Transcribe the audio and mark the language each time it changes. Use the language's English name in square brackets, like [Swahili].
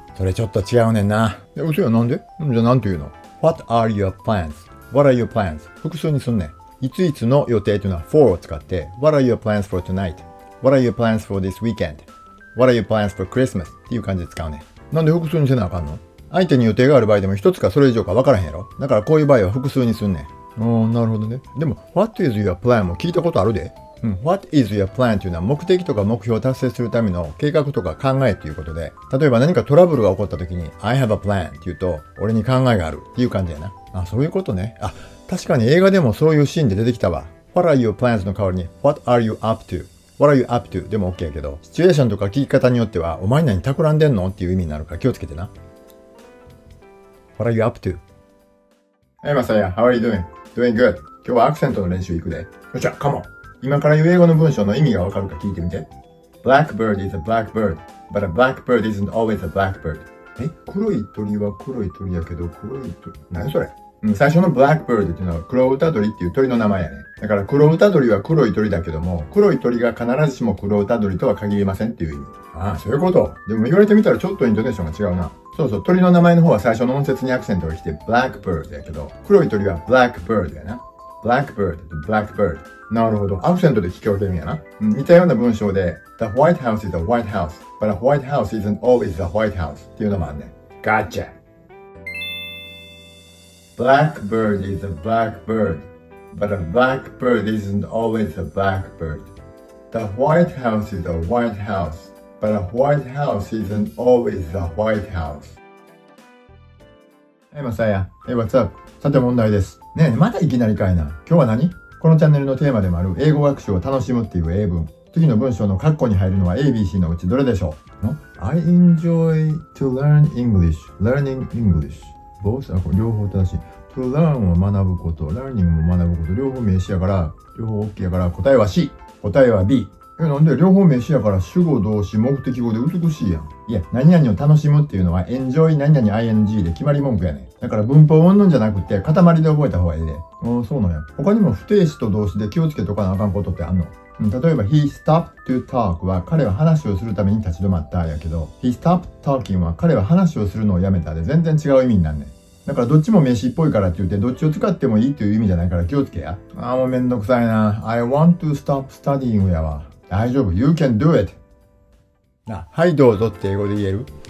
[Japanese] それちょっと違うねんな。え、嘘や、なんで？じゃあなんて言うの？ [English] What are your plans? What are your plans? [Japanese] 複数にすんね。いついつの予定というのは for を使って [English] What are your plans for tonight? What are your plans for this weekend? What are your plans for Christmas? [Japanese] っていう感じで使うね。なんで複数にせなあかんの？相手に予定がある場合でも一つかそれ以上かわからへんやろ。だからこういう場合は複数にすんね。あ、なるほどね。でも [English] What is your plan [Japanese] も聞いたことあるで。What is your plan というのは目的とか目標を達成するための計画とか考えということで、例えば何かトラブルが起こった時に [English] I have a plan [Japanese] というと俺に考えがあるっていう感じやな。あ、そういうことね。あ、確かに映画でもそういうシーンで出てきたわ。 [English] What are your plans [Japanese] の代わりに [English] What are you up to、 [Japanese] What are you up to でも OK やけど、シチュエーションとか聞き方によってはお前何企んでんのっていう意味になるから気をつけてな。 [English] What are you up to。 Hey Masaya, how are you doing? Doing good。 [Japanese] 今日はアクセントの練習行くで。よっしゃ、カモン。今から言う英語の文章の意味がわかるか聞いてみて。 [English] Blackbird is a blackbird, but a blackbird isn't always a blackbird. [Japanese] え、黒い鳥は黒い鳥やけど黒い鳥、何それ？最初の blackbird っていうのは黒歌鳥っていう鳥の名前やね。だから黒歌鳥は黒い鳥だけども、黒い鳥が必ずしも黒歌鳥とは限りませんっていう意味。ああ、そういうこと。でも言われてみたらちょっとイントネーションが違うな。そうそう、鳥の名前の方は最初の音節にアクセントをして blackbird やけど、黒い鳥は blackbird やな。 Blackbird と Blackbird。なるほど、アクセントで聞き分けるんやな。似たような文章で [English] The White House is a White House, but a White House isn't always a White House [Japanese] っていうのもあるね。 [English] Gotcha。 Blackbird is a Blackbird, but a Blackbird isn't always a Blackbird. The White House is a White House, but a White House isn't always a White House。 Hey, Masaya. Hey, what's up? [Japanese] さて問題です。ねえ、またいきなりかいな。今日は何？このチャンネルのテーマでもある英語学習を楽しむっていう英文。次の文章の括弧に入るのは ABC のうちどれでしょう？の [English] ？I enjoy to learn English. Learning English. Both are [Japanese] 両方正しい。 [English] To learn [Japanese] は学ぶこと、learning も学ぶこと、両方名詞やから、両方 OK やから答えは C。答えは B。え、なんで両方名詞やから主語動詞目的語で美しいやん。いや、何々を楽しむっていうのは enjoy 何々 ing で決まり文句やね。だから文法うんぬんじゃなくて塊で覚えた方がいいで。あ、そうなんや。他にも不定詞と動詞で気をつけとかなあかんことってあんの？例えば [English] he stopped to talk [Japanese] は彼は話をするために立ち止まったやけど、 [English] he stopped talking [Japanese] は彼は話をするのをやめたで全然違う意味になんね。だからどっちも名詞っぽいからって言ってどっちを使ってもいいっていう意味じゃないから気をつけや。あー、もうめんどくさいな。 [English] I want to stop studying [Japanese] やわ。大丈夫、 [English] You can do it。 [Japanese] あ、はいどうぞって英語で言える？